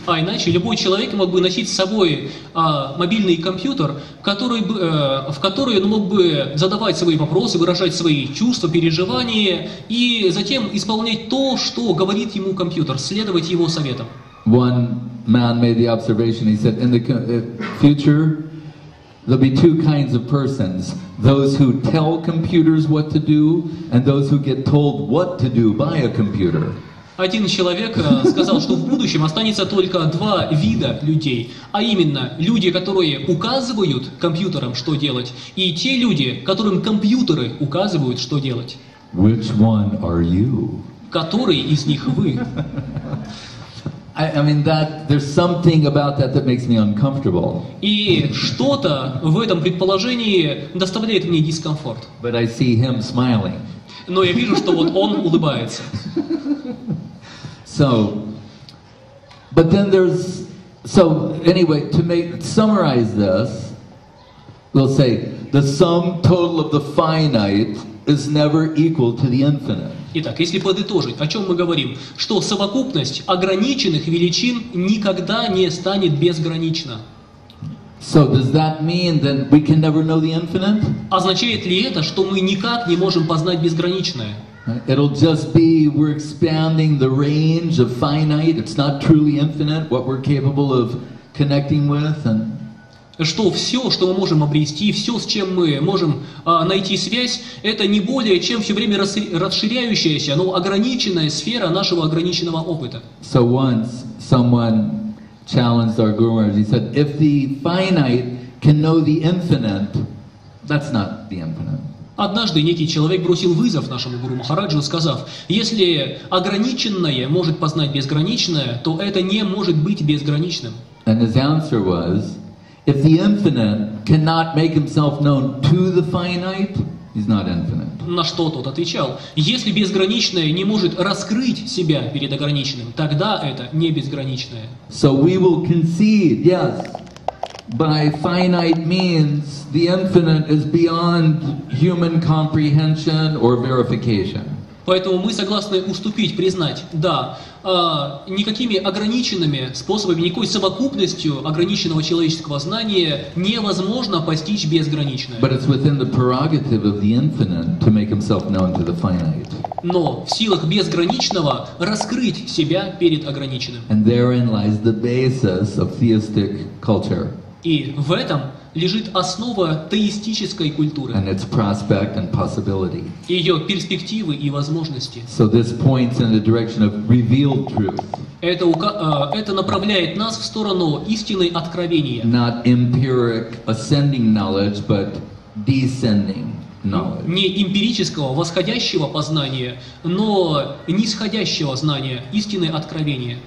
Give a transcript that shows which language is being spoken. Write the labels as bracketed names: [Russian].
[Russian] А иначе любой человек мог бы носить с собой мобильный компьютер, в который он мог бы задавать свои вопросы, выражать свои чувства, переживания и затем исполнять то, что говорит ему компьютер, следовать его советам. [English] One man made the observation, he said, in the future there'll be two kinds of persons: those who tell computers what to do and those who get told what to do by a computer. [Russian] Один человек сказал, что в будущем останется только два вида людей, а именно люди, которые указывают компьютерам, что делать, и те люди, которым компьютеры указывают, что делать. [English] Which one are you? [Russian] Который из них вы? [English] I mean that there's something about that that makes me uncomfortable. [Russian] И что-то в этом предположении доставляет мне дискомфорт. [English] But I see him smiling. [Russian] Но я вижу, что вот он улыбается. [English] So, but then there's, so anyway, to summarize this, we'll say, the sum total of the finite is never equal to the infinite. [Russian] Итак, если подытожить, о чем мы говорим, что совокупность ограниченных величин никогда не станет безгранична. [English] So does that mean that we can never know the infinite? [Russian] Означает ли это, что мы никак не можем познать безграничное? [English] It'll just be we're expanding the range of finite. It's not truly infinite what we're capable of connecting with. And [Russian] что все, что мы можем обрести, все, с чем мы можем найти связь, это не более чем все время расширяющаяся, но ограниченная сфера нашего ограниченного опыта. [English] So once someone challenged our guru, he said, if the finite can know the infinite, that's not the infinite. [Russian] Однажды некий человек бросил вызов нашему гуру Махараджу, сказав: если ограниченное может познать безграничное, то это не может быть безграничным. [English] And his answer was, if the infinite cannot make himself known to the finite, he's not infinite. [Russian] На что тот отвечал: если безграничное не может раскрыть себя перед ограниченным, тогда это не безграничное. [English] So we will concede, yes, by finite means the infinite is beyond human comprehension or verification. [Russian] Поэтому мы согласны уступить, признать, да, никакими ограниченными способами, никакой совокупностью ограниченного человеческого знания невозможно постичь безграничное. [English] But it's within the prerogative of the infinite to make himself known to the finite. [Russian] Но в силах безграничного раскрыть себя перед ограниченным. [English] And therein lies the basis of theistic culture. [Russian] И в этом лежит основа теистической культуры. [English] And its prospect and possibility. [Russian] Ее перспективы и возможности. [English] So this points in the direction of revealed truth. [Russian] Это направляет нас в сторону истины откровения. [English] Not empiric ascending knowledge, but descending knowledge. [Russian] Не эмпирического восходящего познания, но нисходящего знания, истины откровения.